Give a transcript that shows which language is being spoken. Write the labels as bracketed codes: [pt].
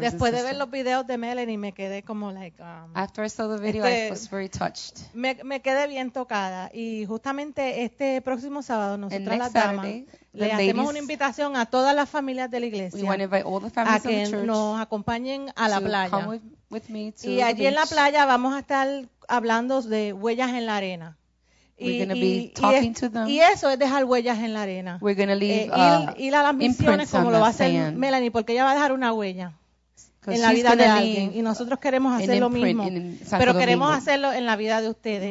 [es] Después de ver los videos de Melanie, me quedé como [en] After I saw the video, I was very touched. [es] Me quedé bien tocada. Y justamente este próximo sábado, nosotras las damas, le hacemos una invitación a todas las familias de la iglesia. [en] We want to invite all the families of the church. [es] A que nos acompañen a la playa. [en] Come with me to [es] y allí en la playa vamos a estar hablando de huellas en la arena. [en] We're going to be talking to them. We're going to leave imprints on the sand. [es] Melanie, porque ella va a dejar una huella en la vida de alguien. Y nosotros queremos hacer lo mismo. Pero queremos hacerlo en la vida de ustedes.